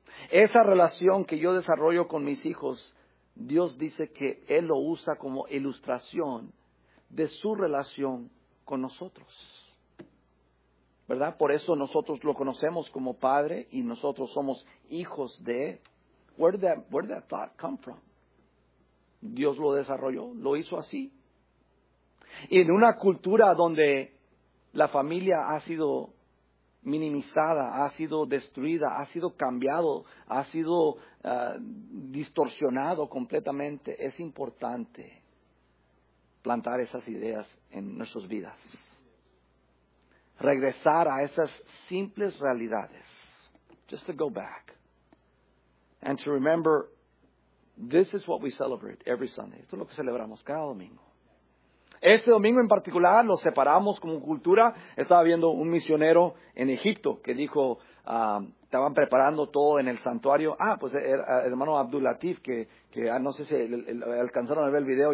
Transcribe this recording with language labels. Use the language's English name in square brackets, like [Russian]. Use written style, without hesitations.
[Spanish] Esa relación que yo desarrollo con mis hijos, Dios dice que Él lo usa como ilustración de su relación con nosotros. ¿Verdad? Por eso nosotros lo conocemos como Padre y nosotros somos hijos de Él. [English] Where did that thought come from? [Spanish] Dios lo desarrolló, lo hizo así. Y en una cultura donde la familia ha sido minimizada, ha sido destruida, ha sido cambiado, ha sido distorsionado completamente, es importante plantar esas ideas en nuestras vidas. Regresar a esas simples realidades. [English] Just to go back. And to remember, this is what we celebrate every Sunday. [Spanish] Esto es lo que celebramos cada domingo. Este domingo en particular lo separamos como cultura. Estaba viendo un misionero en Egipto que dijo, estaban preparando todo en el santuario. Ah, pues el hermano Abdul Latif, que no sé si alcanzaron a ver el video.